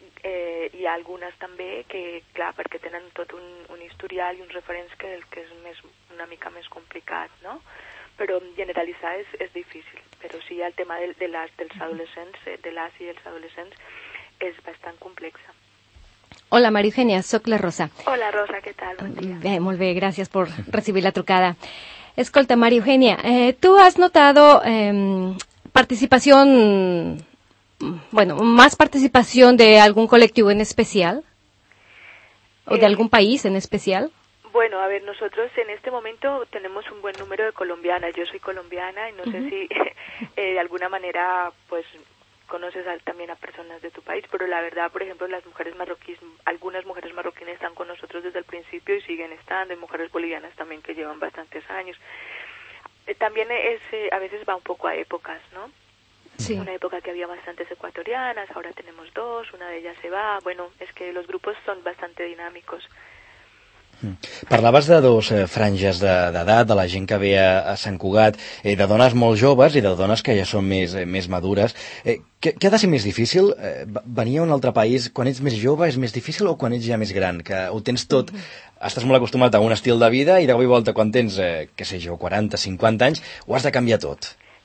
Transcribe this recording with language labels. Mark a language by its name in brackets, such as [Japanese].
[Catalan] Hi ha algunes també que, clar, perquè tenen tot un historial i uns referents que és més, una mica més complicat, no? Però generalitzar és difícil. Però sí, el tema de l'as dels adolescents, de l'as i els adolescents, és bastant complexa. Hola, Marifènia, sóc la Rosa. Hola, Rosa, què tal? Bon dia. Bé, molt bé, gràcies per recibir la trucada. [Spanish] Escolta, Maria Eugenia, tu has notado participación, bueno, más participación de algún colectivo en especial o de algún país en especial. Bueno, a ver, nosotros en este momento tenemos un buen número de colombianas. Yo soy colombiana y no sé si de alguna manera pues conoces también a personas de tu país, pero la verdad, por ejemplo, las mujeres marroquíes, algunas mujeres marroquíes están con nosotros desde el principio y siguen estando, y mujeres bolivianas también que llevan bastantes años. También es, a veces va un poco a épocas, ¿no? Sí. Una época que había bastantes ecuatorianas, ahora tenemos dos, una de ellas se va. Bueno, es que los grupos son bastante dinámicos. [Catalan] Parlaves de dos franges d'edat, de la gent que ve a Sant Cugat, de dones molt joves i de dones que ja són més, més madures. Què ha de ser més difícil? Venir a un altre país quan ets més jove és més difícil o quan ets ja més gran? Que ho tens tot, estàs molt acostumat a un estil de vida i de cop i volta quan tens, què sé jo, 40, 50 anys, ho has de canviar tot.